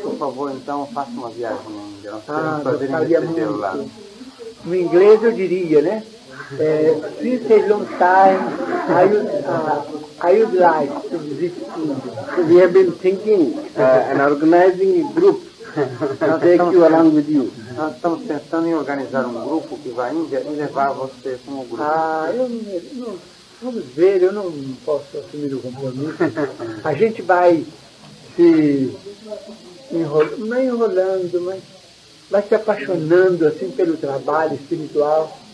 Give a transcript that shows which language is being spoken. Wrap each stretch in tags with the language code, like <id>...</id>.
<pt>Por favor, então, faça uma viagem à Índia. Gostaria muito. Lá. No inglês eu diria, né?</pt> <en>Since a long time, I would like to visit India. We have been thinking and organizing a group to take you along with you.</en> <pt>Nós estamos pensando em organizar um grupo que vai à Índia e levar você com o grupo. Vamos ver, eu não posso assumir o compromisso. A gente vai se enrolando, mas vai se apaixonando assim pelo trabalho espiritual.</pt>